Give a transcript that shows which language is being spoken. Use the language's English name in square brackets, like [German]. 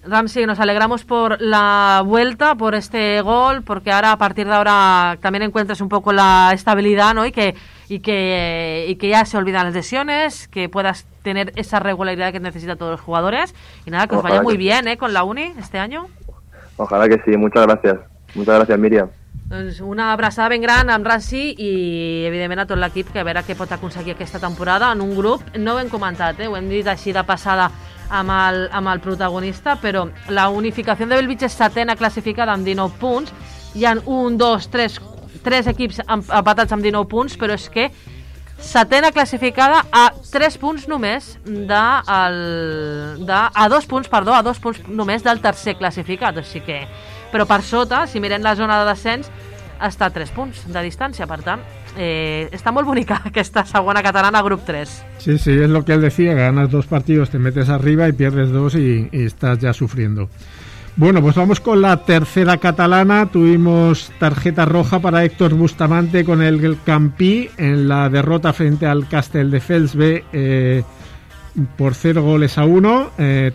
[Spanish] Ramsey, nos alegramos por la vuelta, por este gol, porque ahora a partir de ahora también encuentras un poco la estabilidad, ¿no? Y que ya se olvidan las lesiones, que puedas tener esa regularidad que necesitan todos los jugadores. Y nada, que os vaya muy bien, ¿eh? Con la uni este año. Ojalá que sí. Muchas gracias. Muchas gracias, Miriam. [Catalan] Doncs una abraçada ben gran amb Rassi i evidentment a tot l'equip, que a veure què pot aconseguir aquesta temporada en un grup. No ho hem comentat, ho hem dit així de passada amb el protagonista, però la unificació de Bellvitge és setena classificada amb 19 punts. Hi ha un, dos, tres equips empatats amb 19 punts, però és que setena classificada a 3 punts només a dos punts només del tercer classificat, així que... Però per sota, si mirem la zona de descens, està a 3 punts de distància. Per tant, està molt bonica aquesta segona catalana, grup 3. [Spanish] Sí, sí, [Catalan] és el que ell [Spanish] decía, ganas dos partidos, te metes arriba y pierdes dos y estás ya sufriendo. Bueno, pues vamos con la tercera catalana. Tuvimos tarjeta roja para Héctor Bustamante con el Campí en la derrota frente al Castelldefels B por 0-1.